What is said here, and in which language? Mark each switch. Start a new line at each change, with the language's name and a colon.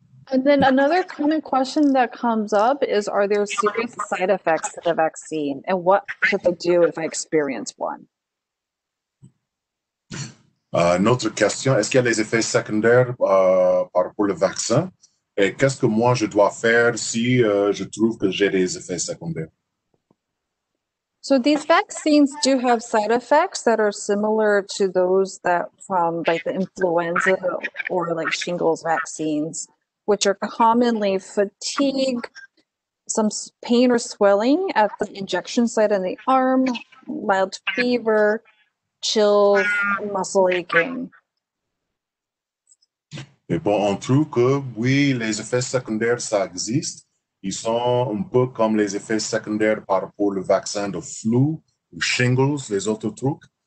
English: And then another kind of question that comes up is, are there serious side effects to the vaccine? And what should I do if I experience one?
French: Notre question, est-ce qu'il y a des effets secondaires par rapport au vaccin? Et qu'est-ce que moi je dois faire si je trouve que j'ai des effets secondaires?
English: So these vaccines do have side effects that are similar to those that from like the influenza or like shingles vaccines, which are commonly fatigue, some pain or swelling at the injection site in the arm, mild fever, chills, muscle aching.
French: Et bon, on trouve que oui, les effets secondaires, ça existe. Ils sont un peu comme les effets secondaires par rapport au vaccin de flu, ou shingles, les autres trucs.